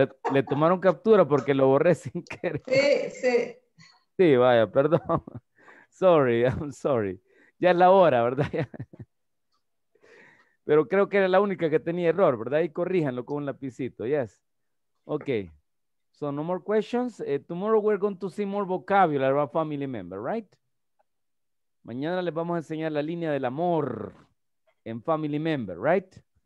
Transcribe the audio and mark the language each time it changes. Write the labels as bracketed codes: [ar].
[es] Le tomaron captura porque lo borré sin querer. Sí, sí. Sí, vaya, perdón. [en] Sorry, I'm sorry. [es] Ya es la hora, ¿verdad? Pero creo que era la única que tenía error, ¿verdad? Y corríjanlo con un lapicito, [en] yes. Okay. So, no more questions. Tomorrow we're going to see more vocabulary about family member, right? [es] Mañana les vamos a enseñar la línea del amor en [en] family member, right?